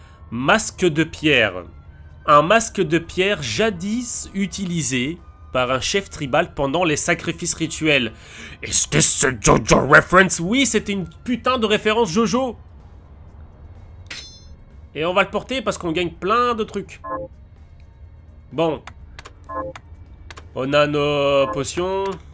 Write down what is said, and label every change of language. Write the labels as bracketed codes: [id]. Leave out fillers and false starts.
[fr] Masque de pierre. Un masque de pierre jadis utilisé par un chef tribal pendant les sacrifices rituels. [en] Is this a JoJo reference? [fr] Oui, c'était une putain de référence JoJo. Et on va le porter parce qu'on gagne plein de trucs. Bon. On a nos potions.